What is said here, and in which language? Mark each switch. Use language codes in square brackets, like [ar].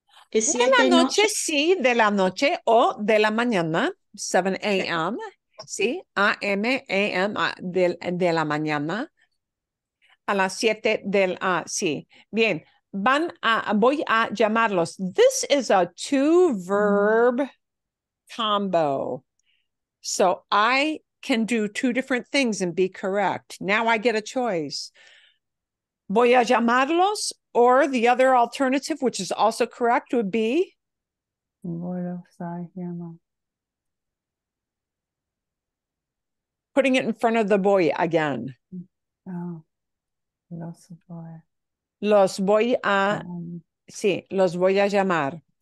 [es] De la noche, sí, de la noche o de la mañana, 7 a.m., sí, a.m., a.m., de la mañana, a las 7 del, sí, bien, van a, voy a llamarlos. [en] This is a two-verb combo, so I can do two different things and be correct. Now I get a choice. [es] Voy a llamarlos. [en] Or the other alternative, which is also correct, would be? [es] Voy a llamar. [en] Putting it in front of the boy again. [es] Oh, los voy. Los voy a, sí, los voy a llamar.